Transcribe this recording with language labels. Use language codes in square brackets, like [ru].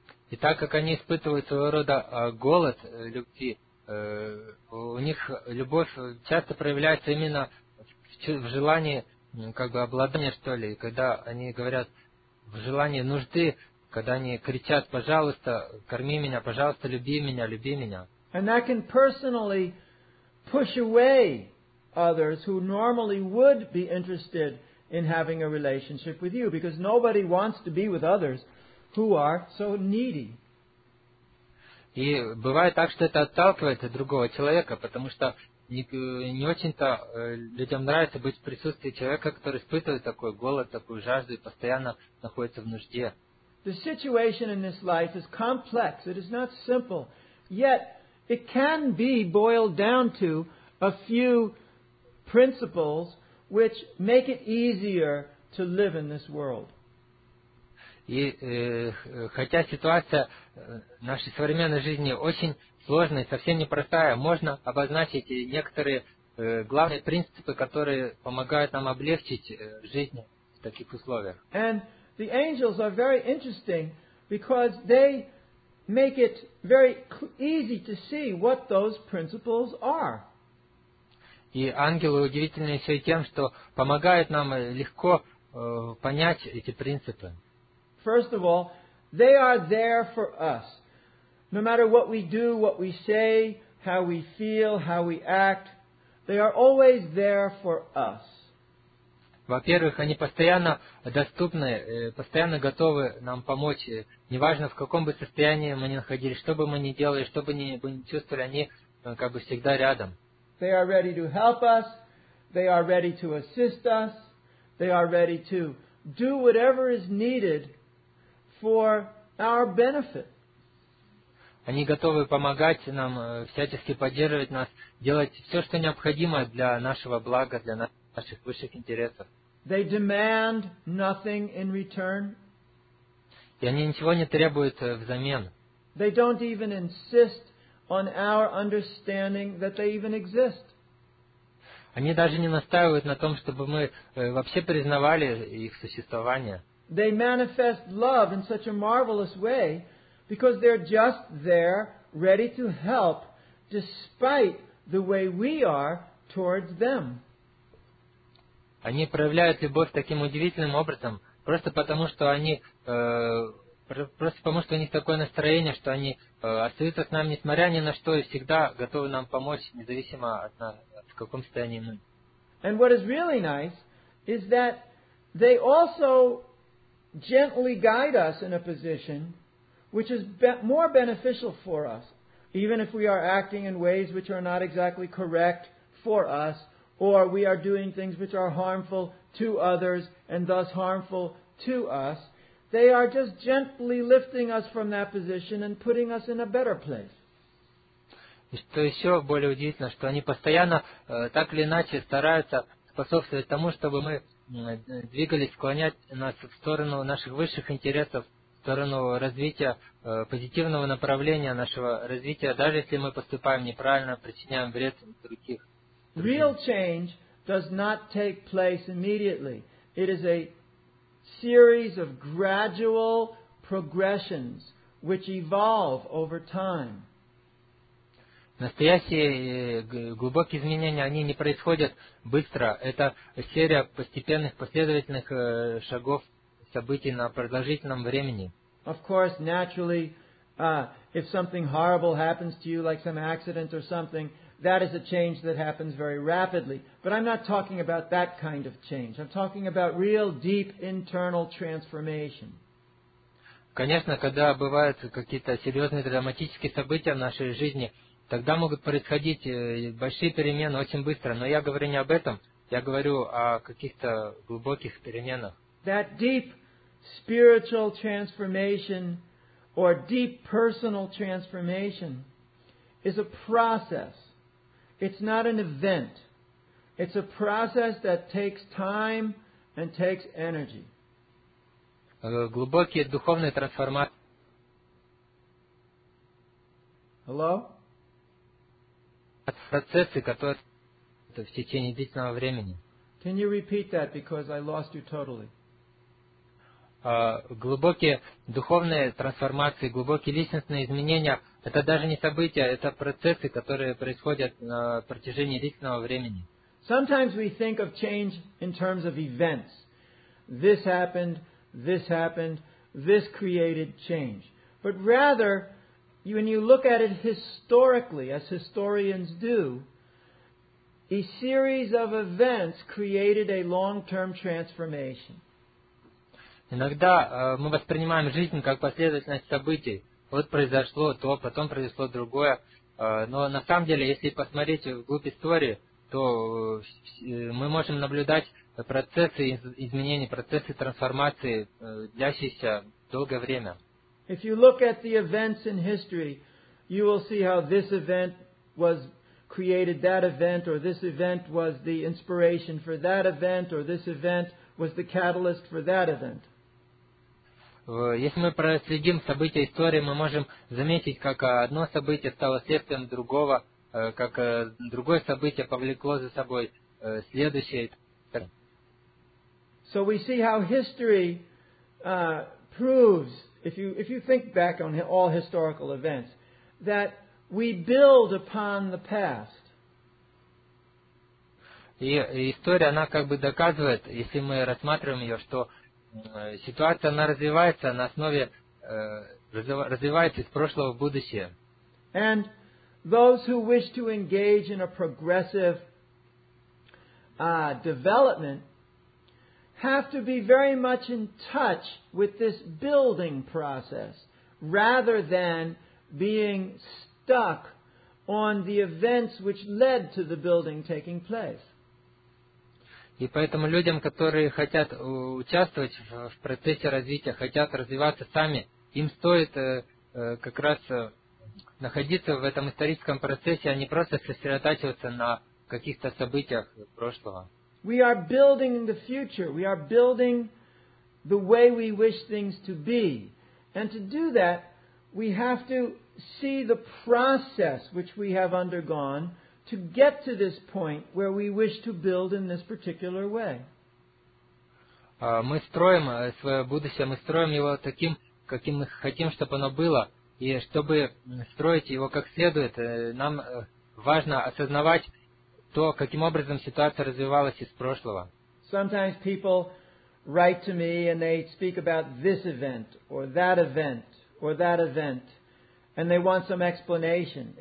[ru] И так как они испытывают своего рода голод любви, у них любовь часто проявляется именно в желании как бы обладание, что ли, когда они говорят в желании нужды, когда они кричат, пожалуйста, корми меня, пожалуйста, люби меня, люби меня. [en] And that can personally push away others who normally would be interested in having a relationship with you, because nobody wants to be with others who are so needy. [ru] И бывает так, что это отталкивает другого человека, потому что не очень-то людям нравится быть в присутствии человека, который испытывает такой голод, такую жажду и постоянно находится в нужде. [en] The situation in this life is complex. It is not simple. Yet, it can be boiled down to a few principles which make it easier to live in this world. [ru] И хотя ситуация нашей современной жизни очень сложная, совсем непростая, можно обозначить некоторые главные принципы, которые помогают нам облегчить жизнь в таких условиях. [en] And the angels are very interesting because they make it very easy to see what those principles are. [ru] И ангелы удивительны еще и тем, что помогают нам легко понять эти принципы. [en] First of all, they are there for us. No matter what we do, what we say, how we feel, how we act, they are always there for us. [ru] Во-первых, они постоянно доступны, постоянно готовы нам помочь. Неважно, в каком бы состоянии мы ни находились, что бы мы ни делали, что бы мы ни чувствовали, они как бы всегда рядом. [en] They are ready to help us. They are ready to assist us. They are ready to do whatever is needed for our benefit. [ru] Они готовы помогать нам, всячески поддерживать нас, делать все, что необходимо для нашего блага, для наших высших интересов. [en] They demand nothing in return. [ru] И они ничего не требуют взамен. [en] They don't even insist on our understanding that they even exist. [ru] Они даже не настаивают на том, чтобы мы вообще признавали их существование. [en] They manifest love in such a marvelous way because they're just there, ready to help, despite the way we are towards them. [ru] Они проявляют любовь таким удивительным образом, просто потому, что они у них такое настроение, что они остаются с нами, несмотря ни на что, и всегда готовы нам помочь, независимо от нас, в каком состоянии мы. [en] And what is really nice is that they also gently guide us in a position which is more beneficial for us, even if we are acting in ways which are not exactly correct for us, or we are doing things which are harmful to others and thus harmful to us. They are just gently lifting us from that position and putting us in a better place. [ru] Что еще более удивительно, что они постоянно так или иначе стараются способствовать тому, чтобы мы двигались, склонять нас в сторону наших высших интересов, в сторону развития позитивного направления нашего развития, даже если мы поступаем неправильно, причиняем вред других. [en] Real change does not take place immediately. It is a series of gradual progressions which evolve over time. [ru] Настоящие глубокие изменения, они не происходят быстро. Это серия постепенных, последовательных шагов событий на продолжительном времени. [en] Of course, naturally, if something horrible happens to you, like some accident or something, that is a change that happens very rapidly. But I'm not talking about that kind of change. I'm talking about real deep internal transformation. [ru] Конечно, когда бывают какие-то серьезные драматические события в нашей жизни, тогда могут происходить большие перемены очень быстро. Но я говорю не об этом. Я говорю о каких-то глубоких переменах. [en] That deep spiritual transformation or deep personal transformation is a process. It's not an event. It's a process that takes time and takes energy. [ru] Глубокие духовные трансформации. [en] Hello? [ru] От процессы, которые в течение длительного времени. [en] Can you repeat that because I lost you totally? [ru] Глубокие духовные трансформации, глубокие личностные изменения – это даже не события, это процессы, которые происходят на протяжении длительного времени. [en] Sometimes we think of change in terms of events. This happened, this happened, this created change. But rather, when you look at it historically, as historians do, a series of events created a long-term transformation. [ru] Иногда мы воспринимаем жизнь как последовательность событий. Вот произошло то, потом произошло другое. Но на самом деле, если посмотреть вглубь истории, то мы можем наблюдать процессы изменений, процессы трансформации, длящиеся долгое время. [en] If you look at the events in history, you will see how this event was created that event, or this event was the inspiration for that event, or this event was the catalyst for that event. [ru] Если мы проследим события истории, мы можем заметить, как одно событие стало следствием другого, как другое событие повлекло за собой следующее. [en] So we see how history proves, if you think back on all historical events, that we build upon the past. [ru] И история, она как бы доказывает, если мы рассматриваем ее, что ситуация, она развивается на основе, развивается из прошлого в будущее. [en] And those who wish to engage in a progressive development have to be very much in touch with this building process rather than being stuck on the events which led to the building taking place. [ru] И поэтому людям, которые хотят участвовать в процессе развития, хотят развиваться сами, им стоит как раз находиться в этом историческом процессе, а не просто сосредотачиваться на каких-то событиях прошлого. [en] We are building the future. We are building the way we wish things to be. And to do that, we have to see the process which we have undergone to get to this point where we wish to build in this particular way. [ru] Мы строим свое будущее, мы строим его таким, каким мы хотим, чтобы оно было. И чтобы строить его как следует, нам важно осознавать то, каким образом ситуация развивалась из прошлого. [en] Sometimes people write to me and they speak about this event or that event or that event and they want some explanation.